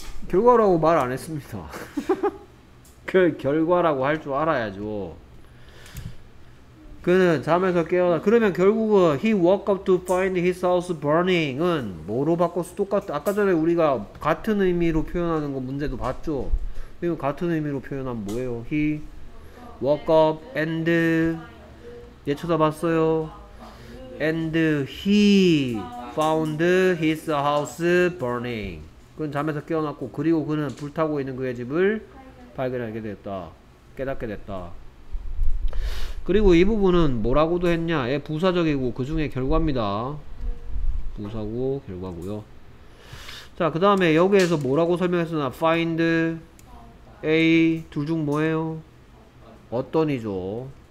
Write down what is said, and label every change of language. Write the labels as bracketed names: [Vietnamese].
[Korean] 결과라고 말 안 했습니다. 그 결과라고 할 줄 알아야죠. 그는 잠에서 깨어나 그러면 결국은 [English] he woke up to find his house burning [Korean] 은 뭐로 바꿨어? 똑같아. 아까 전에 우리가 같은 의미로 표현하는 거 문제도 봤죠. 그럼 같은 의미로 표현하면 뭐예요? [English] he woke up and [Korean] 얘 쳐다봤어요 [English] and he found his house burning. [Korean] 그는 잠에서 깨어났고 그리고 그는 불타고 있는 그의 집을 발견하게 됐다 깨닫게 됐다. 그리고 이 부분은 뭐라고도 했냐? 예, 부사적이고 그 중에 결과입니다. 부사고 결과고요. 자, 그 다음에 여기에서 뭐라고 설명했으나 find a 둘 중 뭐예요? 어떤이죠.